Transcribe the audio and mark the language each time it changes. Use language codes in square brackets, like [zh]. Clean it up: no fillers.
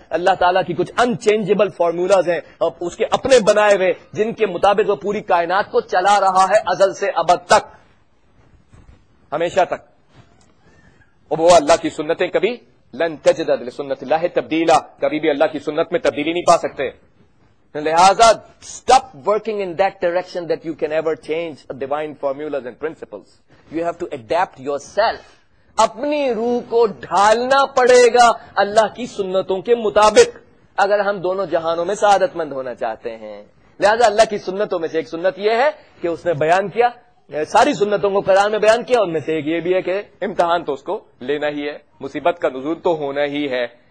[ur] اللہ تعالیٰ کی کچھ انچینجبل فارمولاز ہیں, اور اس کے اپنے بنائے ہوئے, جن کے مطابق وہ پوری کائنات کو چلا رہا ہے ازل سے ابد تک, ہمیشہ تک. وہ اللہ کی سنتیں کبھی [ar] لن تجد لسنت اللہ تبدیلا, [ur] کبھی بھی اللہ کی سنت میں تبدیلی نہیں پا سکتے. لہذا [en] stop working in that direction that you can ever change divine formulas and principles. You have to adapt yourself. [ur] اپنی روح کو ڈھالنا پڑے گا اللہ کی سنتوں کے مطابق, اگر ہم دونوں جہانوں میں سعادت مند ہونا چاہتے ہیں. لہذا اللہ کی سنتوں میں سے ایک سنت یہ ہے کہ اس نے بیان کیا, ساری سنتوں کو قرآن میں بیان کیا, ان میں سے ایک یہ بھی ہے کہ امتحان تو اس کو لینا ہی ہے, مصیبت کا نزول تو ہونا ہی ہے.